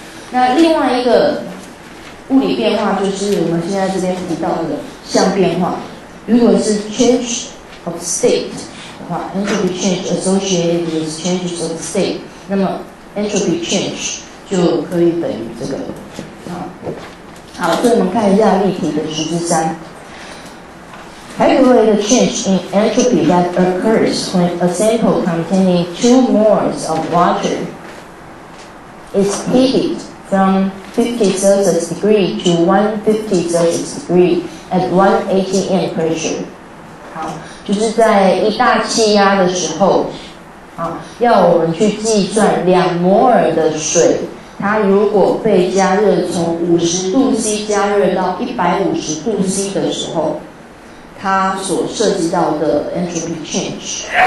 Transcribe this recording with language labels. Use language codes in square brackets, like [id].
[zh] 那另外一个物理变化，就是我们现在这边提到的相变化，如果是 [en] change of state [zh] 的话 ， [en] entropy change associated with changes of state， [zh] 那么 entropy change 就可以等于这个。好，所以我们看一下例题的十之三。 [en] Accelerated change in entropy that occurs when a sample containing two moles of water is heated from 50 Celsius degree to 150 Celsius degree at 1 atm pressure. [zh] 好，就是在一大气压的时候，啊，要我们去计算两摩尔的水，它如果被加热从50度 C 加热到150度 C 的时候，它所涉及到的 entropy change。